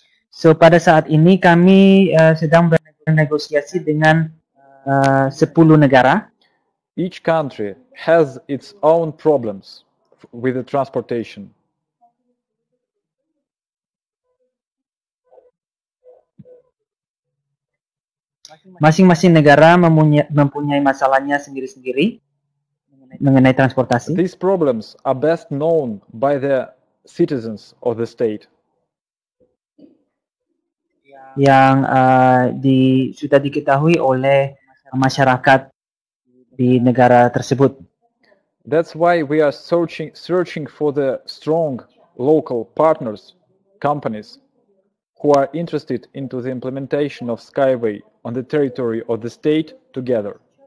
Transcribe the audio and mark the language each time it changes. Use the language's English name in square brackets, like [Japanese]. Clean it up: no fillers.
[Indonesian] So pada saat ini kami sedang bernegosiasi dengan 10 negara. [English] Each country has its own problems with the transportation. [Indonesian] Masing-masing negara mempunyai masalahnya sendiri-sendiri mengenai transportasi. [English] These problems are best known by the citizens of the state. [Indonesian] Yang sudah diketahui oleh masyarakat di negara tersebut. [English] That's why we are searching for the strong local partners, companies who are interested into the implementation of Skyway on the territory of the state together.